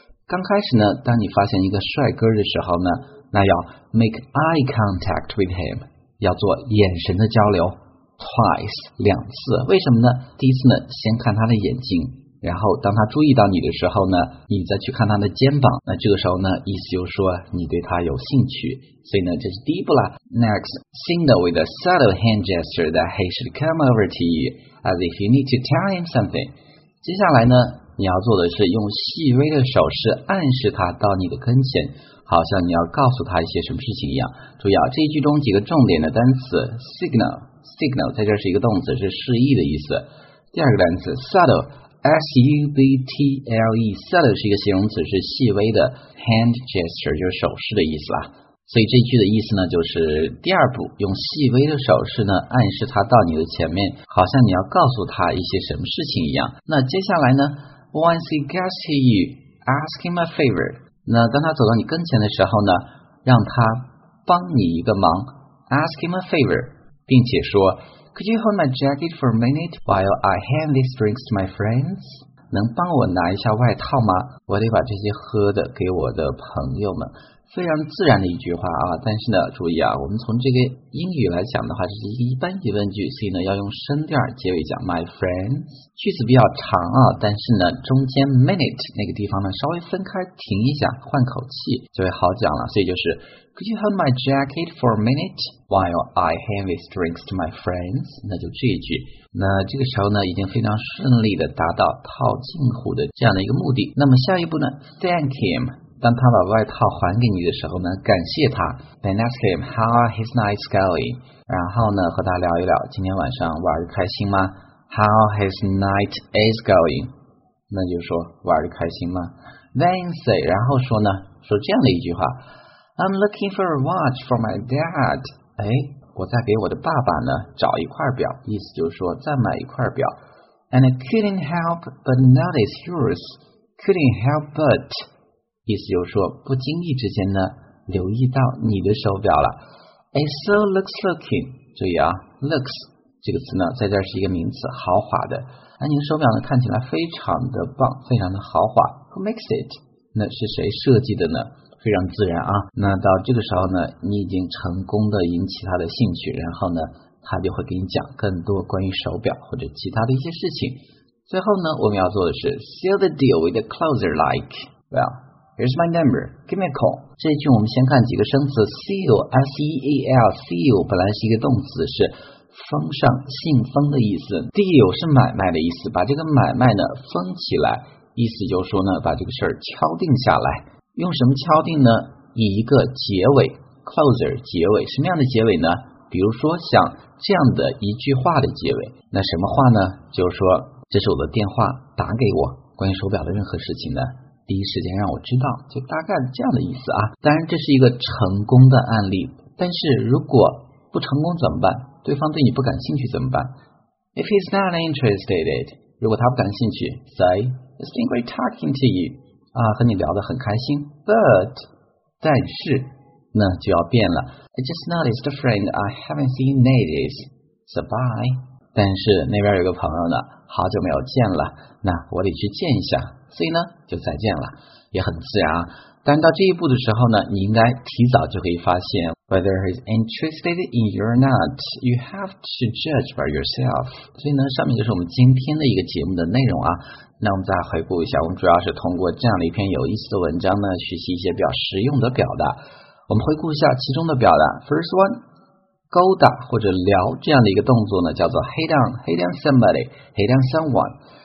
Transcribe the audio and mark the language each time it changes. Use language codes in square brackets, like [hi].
[zh] 刚开始呢，当你发现一个帅哥的时候呢，那要 [en] make eye contact with him， [zh] 要做眼神的交流 twice 两次。为什么呢？第一次呢，先看他的眼睛，然后当他注意到你的时候呢，你再去看他的肩膀。那这个时候呢，意思就是说你对他有兴趣。所以呢，这是第一步啦。 [en] Next, signal with a subtle hand gesture that he should come over to you as if you need to tell him something。 [zh] 接下来呢？你要做的是用细微的手势暗示他到你的跟前，好像你要告诉他一些什么事情一样。注意啊，这一句中几个重点的单词 signal 在这是一个动词，是示意的意思。第二个单词 subtle subtle 是一个形容词，是细微的， hand gesture 就是手势的意思啦。所以这句的意思呢，就是第二步，用细微的手势呢暗示他到你的前面，好像你要告诉他一些什么事情一样。那接下来呢， [en] Once he gets to you, ask him a favor. [zh] 那当他走到你跟前的时候呢，让他帮你一个忙， [en] ask him a favor, [zh] 并且说 [en] Could you hold my jacket for a minute while I hand these drinks to my friends? [zh] 能帮我拿一下外套吗？我得把这些喝的给我的朋友们。非常自然的一句话啊，但是呢，注意啊，我们从这个英语来讲的话，这是一般疑问句，所以呢，要用声调结尾讲 [en] my friends。 [zh] 句子比较长啊，但是呢，中间 minute 那个地方呢，稍微分开停一下，换口气就会好讲了。所以就是 [en] Could you hold my jacket for a minute while I hand these drinks to my friends? [zh] 那就这一句。那这个时候呢，已经非常顺利的达到套近乎的这样的一个目的。那么下一步呢， [en] Thank him。 [zh] 当他把外套还给你的时候呢，感谢他 [en] Then ask him how are his nights going， [zh] 然后呢和他聊一聊今天晚上玩得开心吗， [en] How his night is going， [zh] 那就说玩得开心吗。 [en] Then say， [zh] 然后说呢，说这样的一句话， [en] I'm looking for a watch for my dad。 [zh] 哎，我在给我的爸爸呢找一块表，意思就是说再买一块表。 [en] And I couldn't help but notice yours， couldn't help but， [zh] 意思就是说不经意之间呢留意到你的手表了。 [en] It so looks looking， [zh] 注意啊， looks 这个词呢在这是一个名词，豪华的。那你的手表呢看起来非常的棒，非常的豪华。 [en] Who makes it？ [zh] 那是谁设计的呢？非常自然啊。那到这个时候呢，你已经成功的引起他的兴趣，然后呢他就会给你讲更多关于手表或者其他的一些事情。最后呢，我们要做的是 [en] seal the deal with a closer like， wellHere's my number. Give me a call. [zh] 这一句我们先看几个生词 seal, S-E-A-L, seal 本来是一个动词，是封上，信封的意思。deal 是买卖的意思，把这个买卖呢封起来，意思就是说呢把这个事儿敲定下来。用什么敲定呢？以一个结尾 closer 结尾。什么样的结尾呢？比如说像这样的一句话的结尾。那什么话呢？就是说这是我的电话，打给我，关于手表的任何事情呢第一时间让我知道，就大概这样的意思啊。当然这是一个成功的案例，但是如果不成功怎么办？对方对你不感兴趣怎么办？ [en] If he's not interested in it， [zh] 如果他不感兴趣， [en] say it's been great talking to you， [zh] 啊，和你聊得很开心， but 但是那就要变了， [en] I just noticed a friend I haven't seen in ages， so bye， [zh] 但是那边有个朋友呢好久没有见了，那我得去见一下，所以呢就再见了，也很自然啊。但到这一步的时候呢，你应该提早就可以发现 [en] whether he's interested in you or not， you have to judge by yourself。 [zh] 所以呢上面就是我们今天的一个节目的内容啊。那我们再回顾一下，我们主要是通过这样的一篇有意思的文章呢学习一些比较实用的表达。我们回顾一下其中的表达， [en] first one， [zh] 勾搭或者聊这样的一个动作呢叫做 [en] hit on somebody， hit on someone。